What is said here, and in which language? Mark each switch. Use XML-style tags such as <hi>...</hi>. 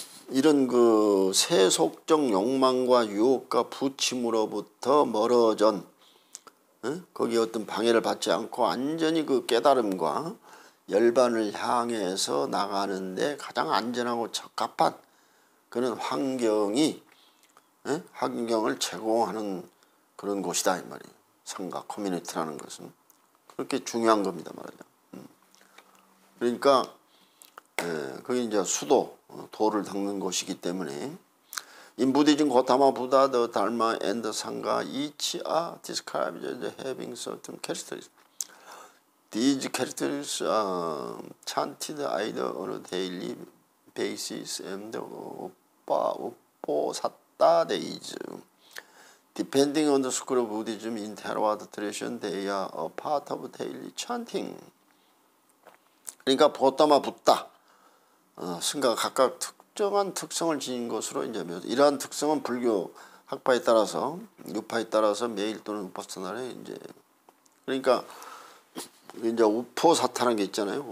<ko>이런 그 세속적 욕망과 유혹과 부침으로부터 멀어진 거기 어떤 방해를 받지 않고 완전히 그 깨달음과 열반을 향해서 나가는데 가장 안전하고 적합한 그런 환경이 환경을 제공하는 그런 곳이다 이 말이에요. 상가 커뮤니티라는 것은 그렇게 중요한 겁니다 말이죠. 그러니까 거기 이제 수도 도를 닦는 곳이기 때문에.</ko> <en>In Buddhism, Gautama Buddha, the Dharma and the Sangha each are described as having certain characteristics. These characteristics are chanted either on a daily basis and Upasatha days. Depending on the school of Buddhism in Theravada tradition, they are a part of daily chanting.</en> <ko>그러니까 Gautama Buddha, 승가 각각 특정한 특성을 지닌 것으로 이제 이러한 특성은 불교 학파에 따라서 유파에 따라서 매일 또는 우파스나래 이제 그러니까 이제 우포사타라는 게 있잖아요.</ko>